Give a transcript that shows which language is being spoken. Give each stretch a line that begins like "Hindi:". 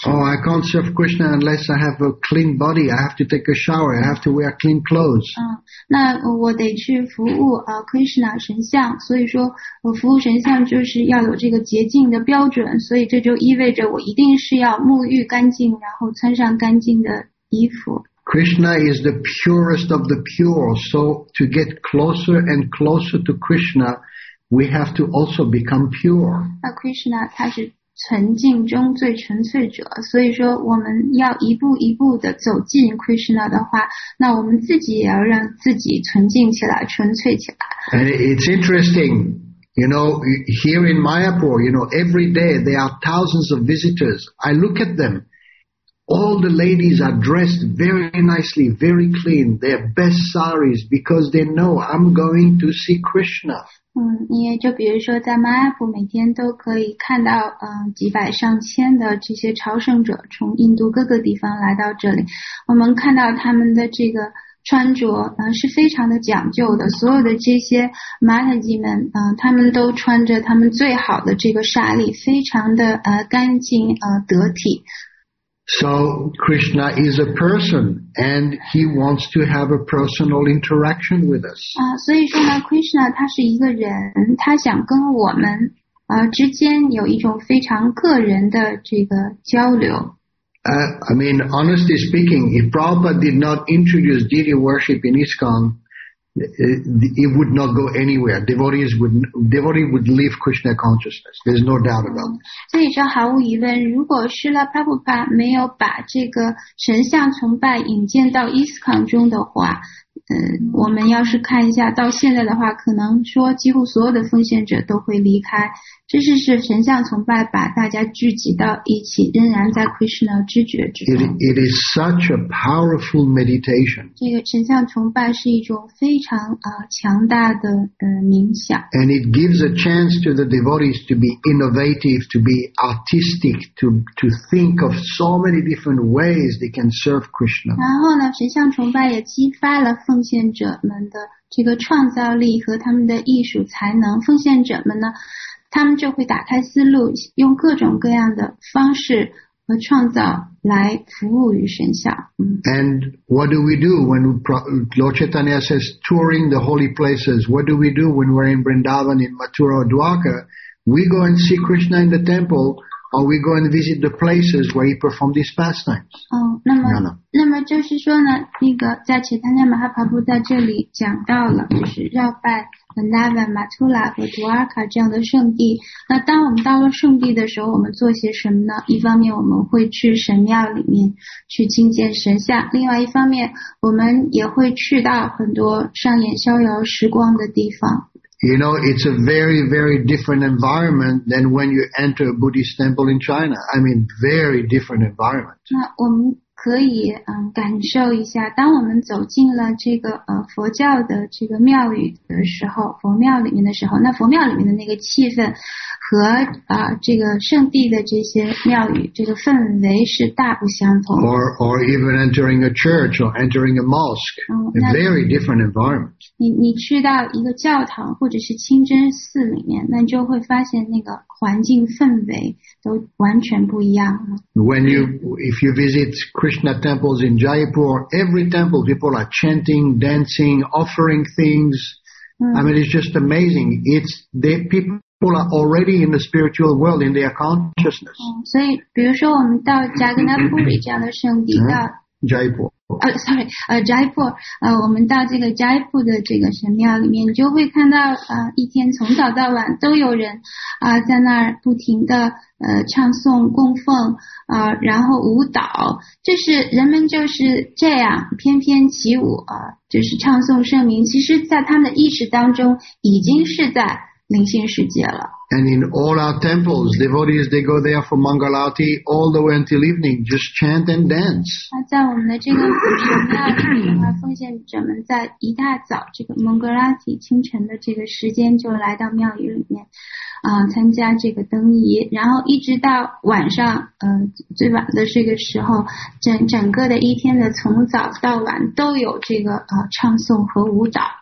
English: Oh, I can't serve Krishna unless I have a clean body. I have to take a shower. I have to wear clean clothes.
Chinese: 那我得去服务。 Krishna 神像，所以说我服务神像就是要有这个洁净的标准，所以这就意味着我一定是要沐浴干净，然后穿上干净的衣服。
English: Krishna is the purest of the pure, so to get closer and closer to Krishna, we have to also become pure.
Chinese: 那 Krishna 他是纯净中最纯粹者，所以说我们要一步一步的走进 Krishna 的话，那我们自己也要让自己纯净起来，纯粹起来。
English: And it's interesting, you know, here in Mayapur, you know, every day there are thousands of visitors. I look at them. All the ladies are dressed very nicely, very clean, their best saris, because they know I'm going to see Krishna.
Chinese: 因为就比如说在 Mayapur 每天都可以看到几百上千的这些朝圣者从印度各个地方来到这里，我们看到他们的这个穿着是非常的讲究的，所有的这些 Mataji 们他们都穿着他们最好的这个纱丽，非常的干净得体。
English: So Krishna is a person, and he wants to have a personal interaction with us.
Chinese: 所以说呢 ，Krishna 他是一个人，他想跟我们之间有一种非常个人的这个交流。
English: I mean, honestly speaking, if Prabhupada did not introduce deity worship in ISKCON, it would not go anywhere. Devotees would leave Krishna consciousness. There's no doubt about this.
Chinese: 所以说毫无疑问，如果是了帕布帕没有把这个神像崇拜引进到 ISKCON 中的话，我们要是看一下到现在的话，可能说几乎所有的奉献者都会离开。这是神像崇拜把大家聚集到一起，仍然在 Krishna 知觉之中。
English: It is such a powerful meditation.
Chinese: 这个神像崇拜是一种非常强大的冥想。
English: And it gives a chance to the devotees to be innovative, to be artistic, to think of so many different ways they can serve Krishna.
Chinese: 然后呢，神像崇拜也激发了奉献者们的这个创造力和他们的艺术才能。奉献者们呢？他们就会打开思路，用各种各样的方式和创造来服务于神像。
English: And what do we do when Lord Chaitanya says touring the holy places? What do we do when we're in Vrindavan, in Mathura or Dwarka? We go and see Krishna in the temple, or we go and visit the places where he performed his pastimes.
Chinese: 那么就是说呢，那个在 Chaitanya Mahaprabhu 在这里讲到了，就是绕拜。 Vrindavan, Mathura 和 Dwarka 这样的圣地，那当我们到了圣地的时候，我们做些什么呢？一方面我们会去神庙里面去觐见神像，另外一方面我们也会去到很多上演逍遥时光的地方。
English: You know, it's a very, very different environment than when you enter a Buddhist temple in China. I mean, very different environment.
Chinese: 那我们可以感受一下，当我们走进了这个佛教的这个庙宇的时候，佛庙里面的时候，那佛庙里面的那个气氛和这个圣地的这些庙宇这个氛围是大不相同。
English: Or even entering a church or entering a mosque, a very different environment.
Chinese: 你去到一个教堂或者是清真寺里面，那就会发现那个环境氛围都完全不一样了。
English: If you visit Krishna temples in Jaipur, every temple people are chanting, dancing, offering things. I mean, it's just amazing. It's the people are already in the spiritual world in their consciousness.
Chinese: 所以，比如说我们到 Jagannath Puri 这样的圣地，我们到这个 Jaipur 的这个神庙里面，你就会看到一天从早到晚都有人在那儿不停的唱诵供奉然后舞蹈，就是人们就是这样翩翩起舞就是唱诵圣名，其实在他们的意识当中已经是在灵性世界了。
English: And in all our temples, devotees, they go there for Mangalati all the way until evening, just chant and dance.
Chinese: 在我们的这个古城庙里的奉献者们在一大早这个蒙格拉提清晨的这个时间就来到庙宇里面、参加这个灯仪，然后一直到晚上、最晚的这个时候 整个的一天的从早到晚都有这个、唱诵和舞蹈。